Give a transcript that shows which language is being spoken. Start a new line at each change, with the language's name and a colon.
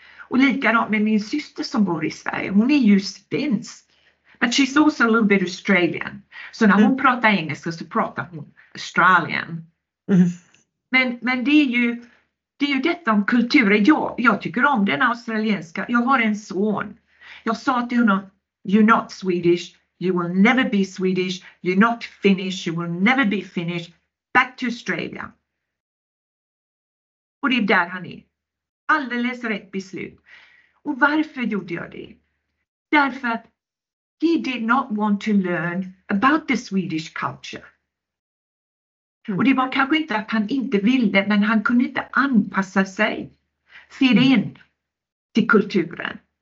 Swedish: Och likadant med min syster som bor i Sverige. Hon är ju svensk.
English: But she's also a little bit Australian.
Swedish: Så när hon pratar engelska så pratar hon Australian. Men det är ju detta om kulturen. Jag tycker om den australienska. Jag har en son. Jag sa till honom,
English: you're not Swedish. You will never be Swedish, you're not Finnish, you will never be Finnish, back to Australia.
Swedish: Och det är där han är. Alldeles rätt beslut. Och varför gjorde jag det? Därför att
English: he did not want to learn about the Swedish culture.
Swedish: Och det var kanske inte att han inte ville, men han kunde inte anpassa sig, fit in till kulturen.